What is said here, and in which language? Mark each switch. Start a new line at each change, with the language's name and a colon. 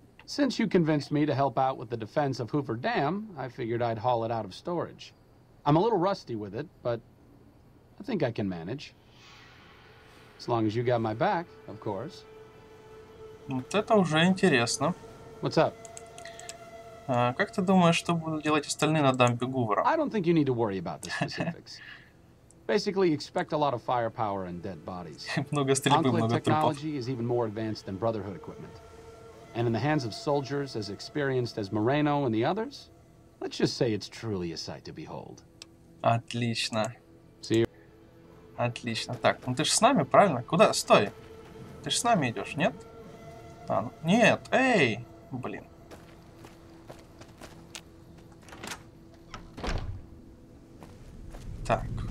English: Since you convinced me to help out with the defense of Hoover Dam, I figured I'd haul it out of storage. I'm a little rusty with it, but I think I can manage. As long as you got my back, of course.
Russian: Вот это уже интересно.
English: What's up?
Russian: Как ты думаешь, что будут делать остальные на дамбе Гувера?
English: I don't think you need to worry about the specifics. Basically, expect a lot of firepower and dead bodies.
Russian: Много стрельбы, много трупов. Enclave
English: technology is even more advanced than Brotherhood equipment. And in the hands of soldiers as experienced as Moreno and the others, let's just say it's truly a sight to behold.
Russian: Отлично.
English: See you.
Russian: Отлично. Так, ну ты же с нами, правильно? Куда? Стой. Ты же с нами идешь, нет? А, нет, эй, блин. Так.